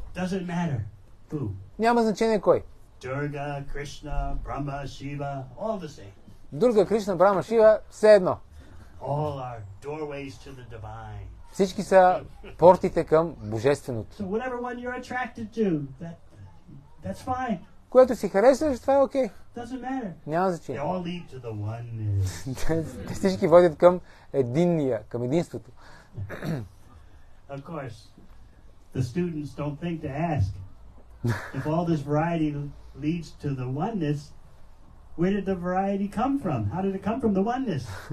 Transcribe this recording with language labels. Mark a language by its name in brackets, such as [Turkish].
[English] Doesn't matter who. [Bulgarian] Няма значение кой. [English] Durga, Krishna, Brahma, Shiva, all the same. [Bulgarian] Durga, Krishna, Brahma, Shiva, все едно. [English] All are doorways to the divine. [Bulgarian] Всички са портите към божественото. [English] So whatever one you're attracted to, that's fine. [Bulgarian] Което си харесваш, това е окей. [English] Doesn't matter. [Bulgarian] Няма значение. [English] They all lead to the oneness. [Bulgarian] Всички водят към единния, към единството. [English] Of course, the students don't think to ask. If all this variety leads to the oneness, where did the variety come from? How did it come from the oneness?